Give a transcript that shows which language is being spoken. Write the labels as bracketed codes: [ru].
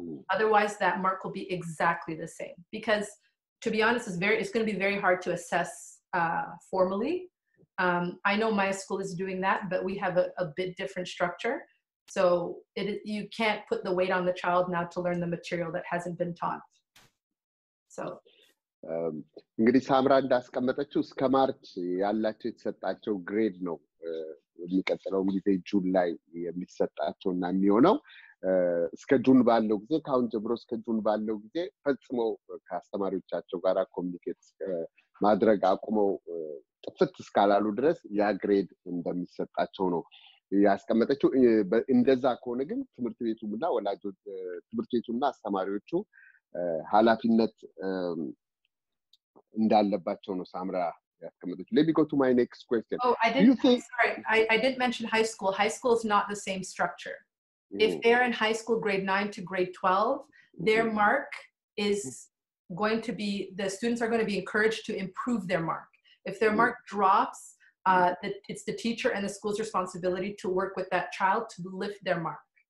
[en] Otherwise that mark will be exactly the same because to be honest it's going to be very hard to assess formally I know my school is doing that but we have a bit different structure so you can't put the weight on the child now to learn the material that hasn't been taught So [am] እንግዲህ ሳምራ እንዳስቀመጠችው እስከ ማርች ያላችሁ የተሰጣችሁ ግሬድ ነው የሚቀጥለው ጊዜ ጁላይ የሚሰጣችሁ እና የሚሆነው እስከ ጁን ባለው ጊዜ ካውን ጀምሮ እስከ ጁን ባለው ጊዜ ፈጽሞ ካስተማሪዎቻቸው ጋራ ኮሚኒኬት ማድረግ አቁመው ጥፍት እስካላሉ ድረስ ያ ግሬድ እንደሚሰጣቸው ነው ያስቀመጠችው። እንደዛ ከሆነ ግን ትምህርት ቤቱና ወላጆች ትምህርት ቤቱና አስተማሪዎቹ ኃላፊነት እንዳለባቸው ነው ሳምራ ያስቀመጠችው። [en] Let me go to my next question. Oh, I didn't I didn't mention high school. High school is not the same structure. If they're in high school grade 9 to grade 12, their mark is going to be, the students are going to be encouraged to improve their mark. If their mark drops, it's the teacher and the school's responsibility to work with that child to lift their mark.